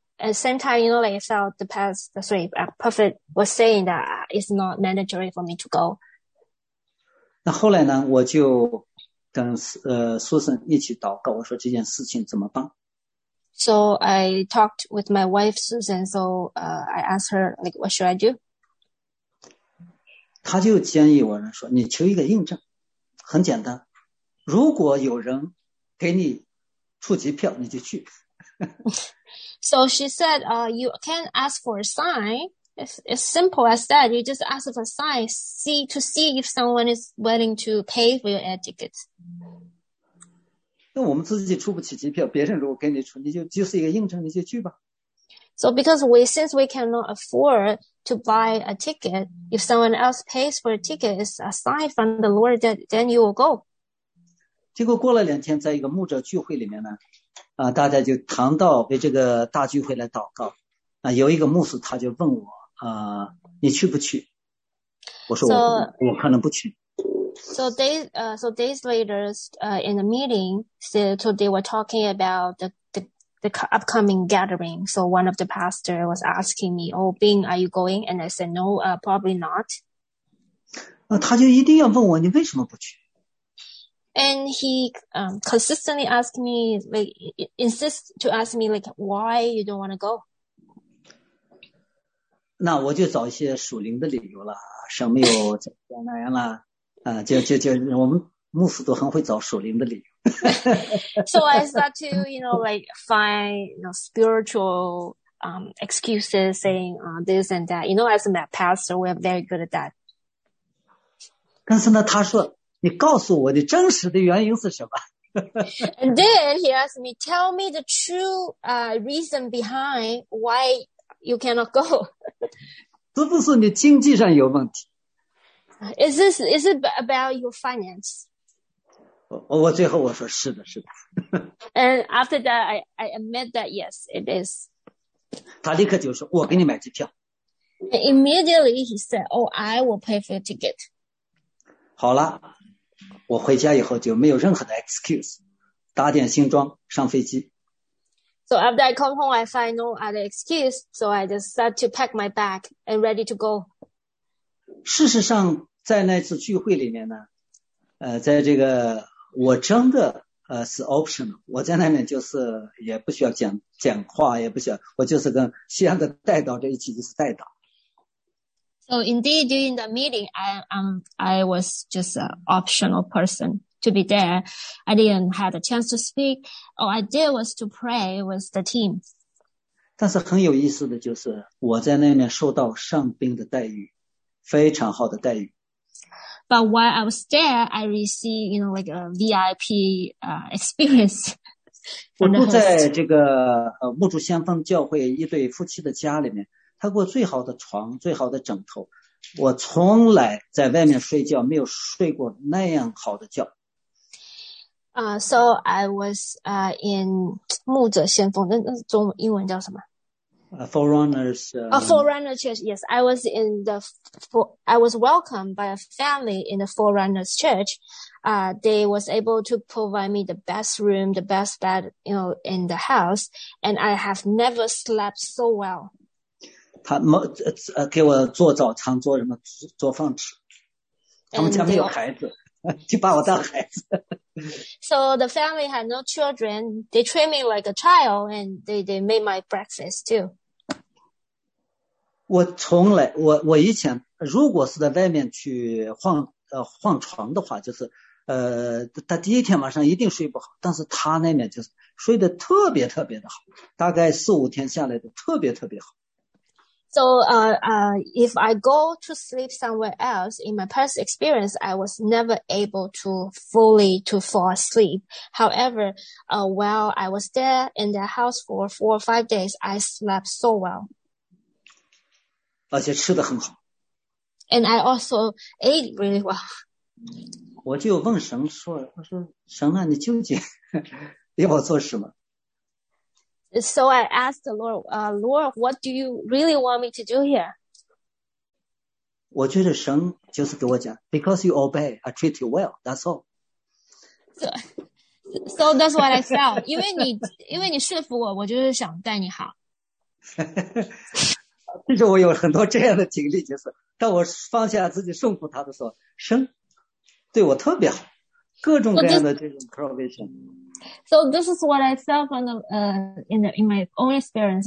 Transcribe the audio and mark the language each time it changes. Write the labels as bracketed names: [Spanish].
[English] At the same time, you know, like I felt the past, the sweep, prophet was saying that it's not mandatory for me to go. [Chinese] 那后来呢，我就跟Susan 一起祷告，我说这件事情怎么办。 [English] So I talked with my wife, Susan, so I asked her, like, what should I do? [Chinese] 她就建议我说，你求一个印证，很简单，如果有人给你出机票，你就去。 [English] So she said, you can ask for a sign, It's simple as that. You just ask for a sign, see to see if someone is willing to pay for your air ticket. [Chinese] 那我们自己出不起机票，别人如果给你出，你就就是一个应酬，你就去吧。 [English] So because we since we cannot afford to buy a ticket, if someone else pays for a ticket, it's a sign from the Lord that then you will go. [Chinese] 结果过了两天，在一个牧者聚会里面呢，啊，大家就谈到为这个大聚会来祷告。啊，有一个牧师他就问我，啊，你去不去？我说我可能不去。 [English] So days later, in the meeting, so they were talking about the upcoming gathering. So one of the pastor was asking me, "Oh, Bing, are you going?" And I said, "No, probably not." [Chinese] 那他就一定要问我，你为什么不去？ [English] And he consistently asked me, like insist to ask me, like why you don't want to go. [Chinese] 那我就找一些属灵的理由了，什么有加拿大啦，啊，就我们牧师都很会找属灵的理由。 [English] So I start to, you know, like find, you know, spiritual excuses, saying this and that. You know, as a pastor, we're very good at that. [Chinese] 但是呢，他说。你告诉我的真实的原因是什么 [English] ？And then he asked me, "Tell me the true reason behind why you cannot go." [Chinese] 是不是你经济上有问题 [English] ？Is it about your finance? [Chinese] 我最后我说是的，是的。 [English] And after that, I admit that yes, it is. [Chinese] 他立刻就说：“我给你买机票。 [English] And ”Immediately he said, "Oh, I will pay for your ticket." [Chinese] 好了。我回家以后就没有任何的 excuse， 打点新装上飞机。 [English] So after I come home, I find no other excuse, so I just start to pack my bag and ready to go. [Chinese] 事实上，在那次聚会里面呢，在这个我真的是 optional， 我在那边就是也不需要讲话，也不需要，我就是跟西安的代导在一起，就是代导。 [English] So indeed, during the meeting, I was just an optional person to be there. I didn't have a chance to speak. All I did was to pray with the team. [Chinese] 但是很有意思的就是我在那边受到上宾的待遇，非常好的待遇。 [English] But while I was there, I received, you know, like a VIP experience. [Chinese] 我住在这个牧主先锋教会一对夫妻的家里面。他给我最好的床，最好的枕头。我从来在外面睡觉没有睡过那样好的觉。 [English] So I was in [Chinese] 牧者先锋，那中文英文叫什么？ [English] Forerunners. Forerunner Church. Yes, I was in the I was welcomed by a family in the Forerunners Church. They was able to provide me the best room, the best bed, you know, in the house, and I have never slept so well. [Chinese] 他们给我做早餐，做什么做饭吃。他们家没有孩子，就把我当孩子。 [English] So the family had no children. They treat me like a child, and they made my breakfast too. [Chinese] 我从来我以前如果是在外面去换床的话，就是他第一天晚上一定睡不好，但是他那边就是睡得特别特别的好，大概四五天下来的特别特别好。 [English] So, if I go to sleep somewhere else, in my past experience, I was never able to fall asleep. However, while I was there in the house for 4 or 5 days, I slept so well. [Chinese] 而且吃得很好。 [English] And I also ate really well. [Chinese] 我就问神说，我说神啊，你究竟要我做什么？ [English] So I asked the Lord, Lord, what do you really want me to do here? [Chinese] 我觉得神就是给我讲 [English] because you obey, I treat you well, that's all. So that's what I felt. [Chinese] 因为你说服我，我就是想待你好。其实我有很多这样的经历，就是当我放下自己顺服他的时候，神对我特别好，各种各样的这种 provision。 [English] So this is what I felt on the, in my own experience.